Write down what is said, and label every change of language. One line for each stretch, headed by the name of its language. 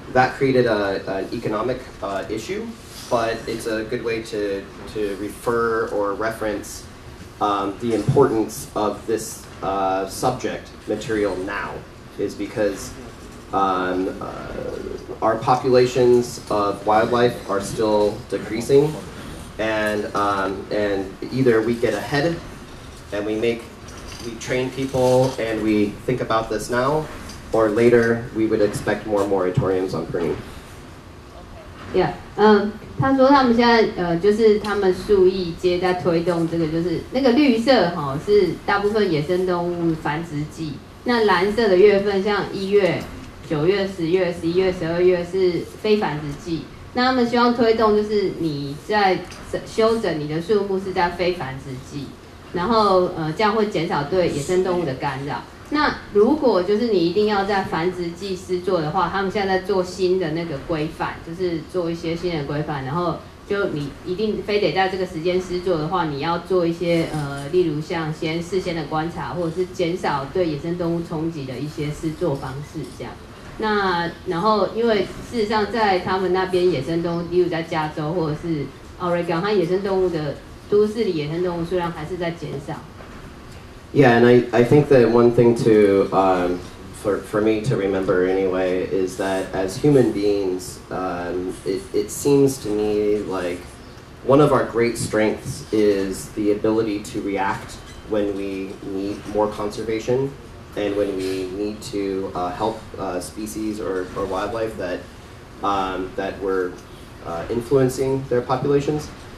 English: That created an economic issue, but it's a good way to refer or reference the importance of this subject material now, is because our populations of wildlife are still decreasing, and either we get ahead and we train people and we think about this now, or later we would expect more moratoriums on pruning. Yeah.
Chinese: 他说他们现在就是他们树艺界在推动这个，就是那个绿色哈是大部分野生动物繁殖季，那蓝色的月份像一月、九月、十月、十一月、十二月是非繁殖季。那他们希望推动就是你在修整你的树木是在非繁殖季，然后这样会减少对野生动物的干扰。那如果就是你一定要在繁殖季施作的话，他们现在在做新的那个规范，就是做一些新的规范，然后就你一定非得在这个时间施作的话，你要做一些例如像先事先的观察，或者是减少对野生动物冲击的一些施作方式这样。那然后因为事实上在他们那边野生动物，例如在加州或者是 Oregon， 他野生动物的都市里野生动物数量还是在减少。
English: Yeah, and I think that one thing to for me to remember anyway is that as human beings, it seems to me like one of our great strengths is the ability to react when we need more conservation and when we need to help species or wildlife that we're influencing their populations.